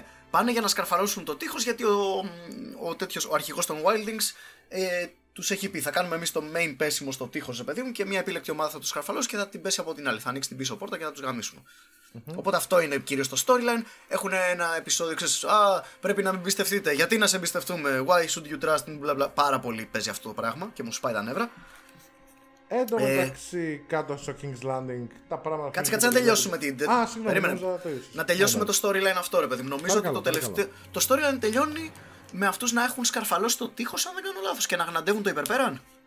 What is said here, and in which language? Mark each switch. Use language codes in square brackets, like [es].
[el] Πάνε για να σκαρφαρώσουν το τείχος, γιατί ο αρχηγός των Wildlings τους έχει πει, θα κάνουμε εμείς το main πέσιμο στο τείχος, παιδί μου, και μια επιλεκτή ομάδα θα τους σκαρφαλώσει και θα την πέσει από την άλλη. Θα ανοίξει την πίσω πόρτα και θα τους γαμίσουν. Mm-hmm. Οπότε αυτό είναι κυρίως το storyline. Έχουν ένα επεισόδιο, ξέρεις, πρέπει να με εμπιστευτείτε. Γιατί να σε εμπιστευτούμε, [en] why should you trust me, bla bla. [el] Πάρα πολύ παίζει αυτό το πράγμα και μου σπάει τα νεύρα. Εν τω μεταξύ, κάτω στο King's Landing, τα πράγματα. Κάτσε, κάτσε να τελειώσουμε την. Περίμενε. Να τελειώσουμε το storyline αυτό, ρε παιδί. Νομίζω ότι το τελευταίο. Το storyline τελειώνει με αυτούς να έχουν σκαρφαλώσει το τείχος, αν δεν κάνω λάθος, και να γναντεύουν το υπερπέραν.